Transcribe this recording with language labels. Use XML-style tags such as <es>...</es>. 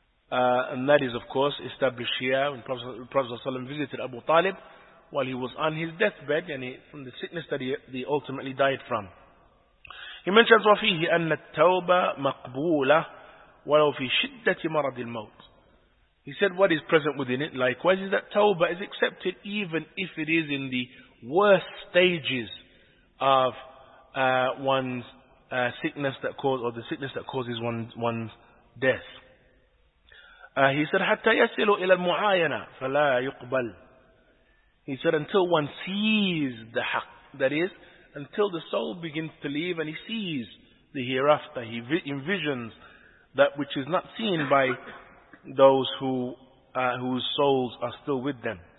<en>And that is, of course, established here when Prophet ﷺ visited Abu Talib while he was on his deathbed, yani from the sickness that he ultimately died from. He mentions,</en> <ar>وَفِيهِ أَنَّ التَّوْبَ مَقْبُولَةٌ وَلَوْ فِي شِدَّةِ مَرَضِ الْمَوْتِ.</ar> <en>He said, what is present within it, likewise, is that tawbah is accepted even if it is in the worst stages of one's sickness that causes, or the sickness that causes one's death. He said,</en> <ar>حَتَّى يَسِلُ إِلَى الْمُعَايَنَةِ فَلَا يُقْبَلُ.</ar> <en>He said, until one sees the haqq, that is, until the soul begins to leave and he sees the hereafter, he envisions that which is not seen by those who whose souls are still with them.</en>